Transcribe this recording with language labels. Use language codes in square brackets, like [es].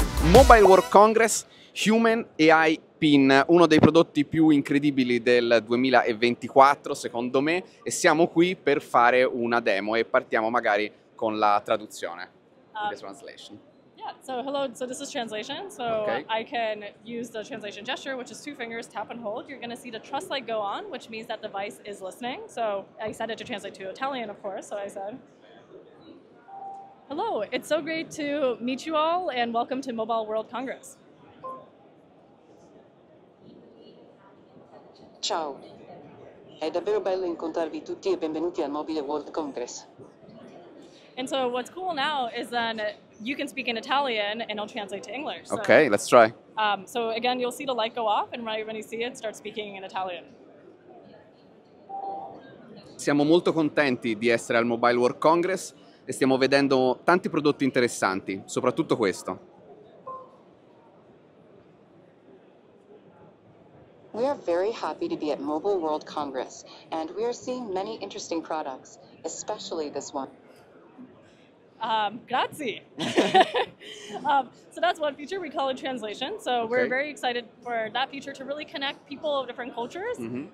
[it] Mobile World Congress, Humane AI Pin, uno dei prodotti più incredibili del 2024 secondo me, e siamo qui per fare una demo e partiamo magari con la traduzione. [en] The translation. Yeah, so hello, so this is translation. So okay. I can use the translation gesture, which is two fingers, tap and hold. You're going to see the trust light go on, which means that device is listening. So I said it to translate to Italian, of course, so I said, hello, it's so great to meet you all and welcome to Mobile World Congress. [it] Ciao, è davvero bello incontrarvi tutti e benvenuti al Mobile World Congress. [en] And so what's cool now is then you can speak in Italian and it'll translate to English. So, okay, let's try. So again, you'll see the light go off and right when you see it, start speaking in Italian. [it] Siamo molto contenti di essere al Mobile World Congress e stiamo vedendo tanti prodotti interessanti, soprattutto questo. [en] We are very happy to be at Mobile World Congress and we are seeing many interesting products, especially this one. [it] Grazie. [en] So that's one feature, we call it translation. So okay. We're very excited for that feature to really connect people of different cultures, mm-hmm.